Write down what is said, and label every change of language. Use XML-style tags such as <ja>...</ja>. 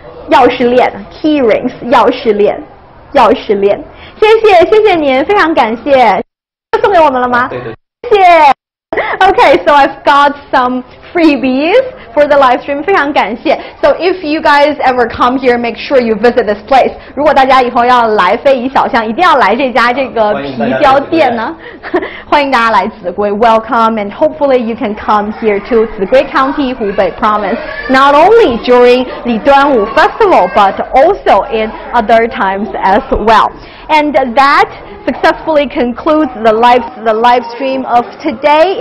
<zh>钥匙链,</zh> <en>key rings,</en> <zh>钥匙链, 钥匙链。谢谢,谢谢您,非常感谢。送给我们了吗？对对。谢谢。</zh> <en>Okay, so I've got some freebies for the live stream.</en> <zh>非常感谢。</zh> <en>So if you guys ever come here, make sure you visit this place.</en> <zh>如果大家以后要来非遗小巷，一定要来这家这个皮雕店呢。欢迎大家来紫归。</zh> <en>Welcome, and hopefully you can come here to Zigui County, Hubei Province. Not only during the Duanwu Festival, but also in other times as well. And that... successfully concludes the live stream of today.</en>